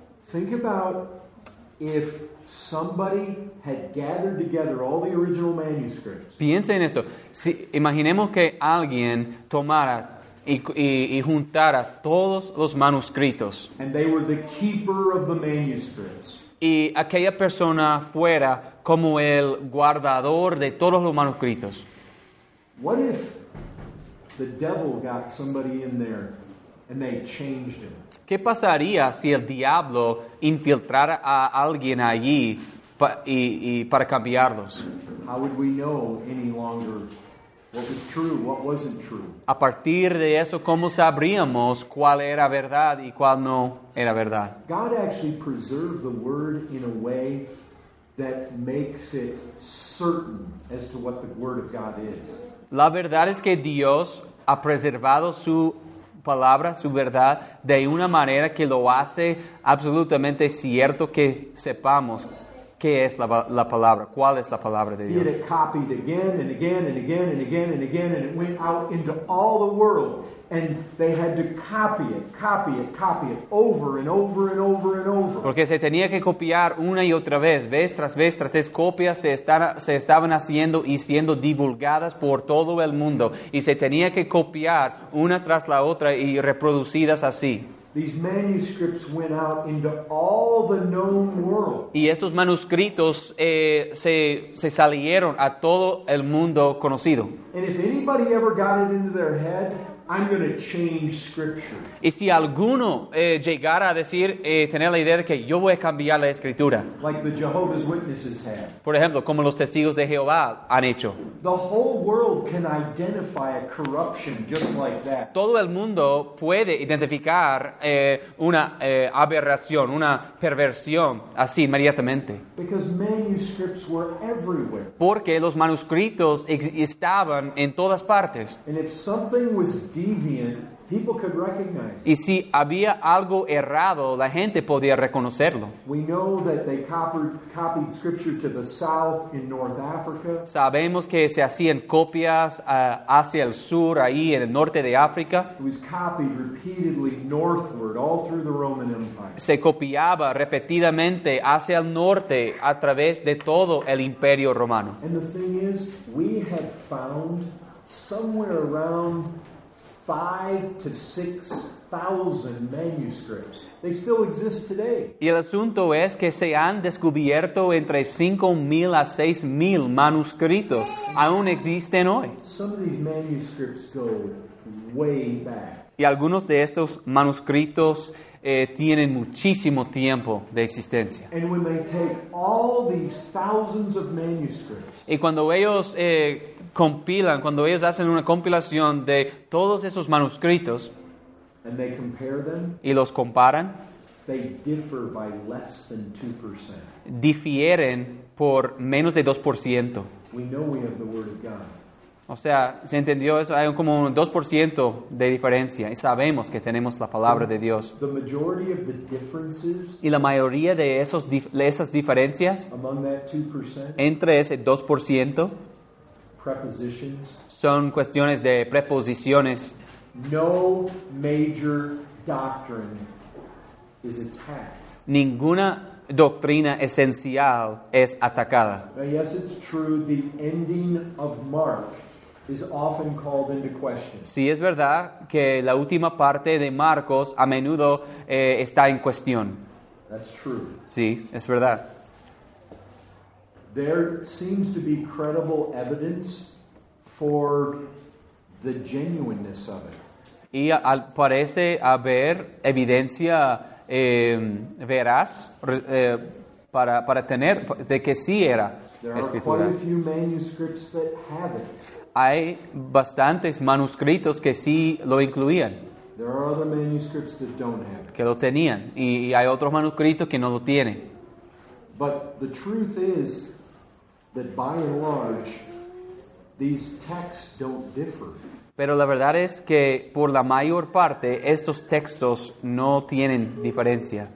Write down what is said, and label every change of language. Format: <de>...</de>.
<en>Think about if somebody had gathered together all the original manuscripts.</en> <es>Piense en esto. Si, imaginemos que alguien tomara y juntara todos los manuscritos.</es> <en>And they were the keeper of the manuscripts.</en> <es>Y aquella persona fuera como el guardador de todos los manuscritos.</es> <en>What if the devil got somebody in there and they changed him?</en> <es>¿Qué pasaría si el diablo infiltrara a alguien allí y para cambiarlos?</es> <en>How would we know any longer what was true, what wasn't true?</en> <es>A partir de eso, ¿cómo sabríamos cuál era verdad y cuál no era verdad?</es> <en>God actually preserved the word in a way that makes it certain as to what the word of God is.</en> <es>La verdad es que Dios ha preservado su palabra, su verdad, de una manera que lo hace absolutamente cierto que sepamos qué es la palabra, cuál es la palabra de Dios.</es> <en>It copied again and again and again and again and again, and it went out into all the world, and they had to copy it over and over and over and over.</en> <es>Porque se tenía que copiar una y otra vez tras vez, copias se estaban haciendo y siendo divulgadas por todo el mundo, y se tenía que copiar una tras la otra y reproducidas así.</es> <en>These manuscripts went out into all the known world.</en> <es>Y estos manuscritos se salieron a todo el mundo conocido.</es> <en>And if anybody ever got it into their head, I'm going to change scripture.</en> <es>Y si alguno llegara a decir tener la idea de que yo voy a cambiar la escritura.</es> <en>Like the Jehovah's Witnesses had.</en> <es>Por ejemplo, como los testigos de Jehová han hecho.</es> <en>The whole world can identify a corruption just like that.</en> <es>Todo el mundo puede identificar una aberración, una perversión así inmediatamente.</es> <en>Because manuscripts were everywhere.</en> <es>Porque los manuscritos estaban en todas partes.</es> <en>And if something was deviant, people could recognize.</en> <es>Y si había algo errado, la gente podía reconocerlo.</es> <en>We know that they copied scripture to the south in North Africa.</en> <es>Sabemos que se hacían copias hacia el sur, ahí en el norte de África.</es> <en>It was copied repeatedly northward, all through the Roman Empire.</en> <es>Se copiaba repetidamente hacia el norte a través de todo el Imperio Romano.</es> <en>And the thing is, we have found somewhere around 5,000 to 6,000 manuscripts. They still exist today.</en> <es>Y el asunto es que se han descubierto entre 5,000 a 6,000 manuscritos. Aún existen hoy.</es> <en>Some of these manuscripts go way back.</en> <es>Y algunos de estos manuscritos tienen muchísimo tiempo de existencia.</es> <en>And when they take all these thousands of manuscripts,</en> <es>y cuando ellos compilan, cuando ellos hacen una compilación de todos esos manuscritos,</es> <en>and they compare them,</en> <es>y los comparan,</es> <en>they differ by less than 2%.</en> <es>Difieren por menos de 2%.</es> <en>We know we have the word of God.</en> <es>O sea, ¿se entendió eso? Hay como un 2% de diferencia. Y sabemos que tenemos la palabra de Dios.</es> <en>The majority of the differences,</en> <es>y la mayoría de esos, esas diferencias</es> <en>among that 2%,</en> <es>entre ese 2%</es> <en>prepositions,</en> <es>son cuestiones de preposiciones.</es> <en>No major doctrine is attacked.</en> <es>Ninguna doctrina esencial es atacada.</es> <en>Now, yes, it's true, the ending of Mark is often called into question.</en> <es>Sí, es verdad que la última parte de Marcos a menudo está en cuestión.</es> <en>That's true.</en> <es>Sí, es verdad.</es> <en>There seems to be credible evidence for the genuineness of it.</en> <es>Y parece haber evidencia veraz para tener de que sí era escritura.</es> <en>There are quite a few manuscripts that have it.</en> <es>Hay bastantes manuscritos que sí lo incluían.</es> <en>There are other manuscripts that don't have it.</en> <es>Que lo tenían. Y hay otros manuscritos que no lo tienen.</es> <en>But the truth is that by and large, these texts don't differ.</en> <es>Pero la verdad es que por la mayor parte, estos textos no tienen diferencia.</es>